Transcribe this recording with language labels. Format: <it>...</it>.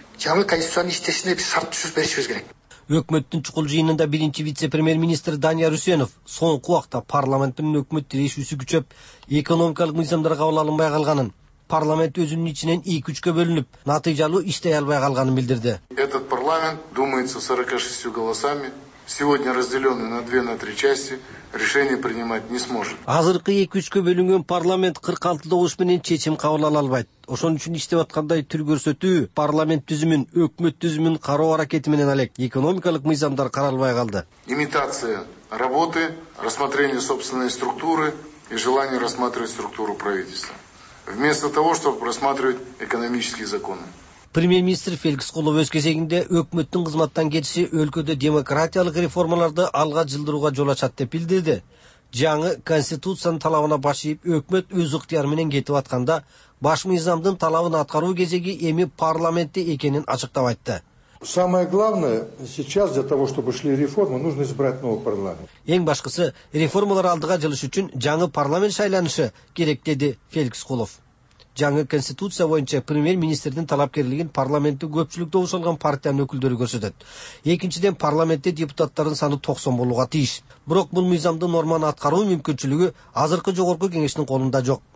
<ky>Жаңы конституциянын иштешине биз шарт түшүрүп беришибиз керек. Өкмөттүн чукул жыйынында биринчи вице-премьер-министр Данияр Үсенов соңку убакта парламенттин өкмөт тирешүүсү күчөп, экономикалык мыйзамдар кабыл алынбай калганын, парламент өзүнүн ичинен 2-3 бөлүнүп, натыйжалуу иштей албай калганын билдирди.</ky> <ru>Этот парламент думается 46 голосами, сегодня разделённый на 2-3 части, решение принимать не сможет.</ru> <ky>Азыркы 2-3 бөлүнгөн парламент 46 добуш менен чечим кабыл ала албайт. Ошон үчүн иштеп аткандай түр көрсөтүү парламент түзүмүн, өкмөт түзүмүн кароо аракети менен алек. Экономикалык мыйзамдар каралбай калды.</ky> <ru>Имитация работы, рассмотрение собственной структуры и желание рассматривать структуру правительства. Вместо того, чтобы рассматривать экономические законы.</ru> <ky>Премьер-министр Феликс Кулов өз кезегинде өкмөттүн кызматтан кетиши өлкөдө демократиялык реформаларды алга жылдырууга жол ачат деп билдирди. Жаңы конституциянын талабына баш ийип өкмөт өз ыктыяры менен кетип атканда баш мыйзамдын талабын аткаруу кезеги эми парламентте экенин ачыктап айтты.</ky> <ru>Самое главное сейчас для того, чтобы шли реформы, нужно избрать новый парламент.</ru> <ky>Эң башкысы реформалар алдыга жылыш үчүн жаңы парламент шайланышы керек, деди Феликс Кулов. Жаңы конституция боюнча премьер-министрдин талапкерлигин парламентте көпчүлүк добуш алган партиянын өкүлдөрү көрсөтөт. Экинчиден, парламентте депутаттардын саны 90 болууга тийиш. Бирок бул мыйзамды норманы аткаруу мүмкүнчүлүгү азыркы жогорку кеңештин колунда жок.</ky>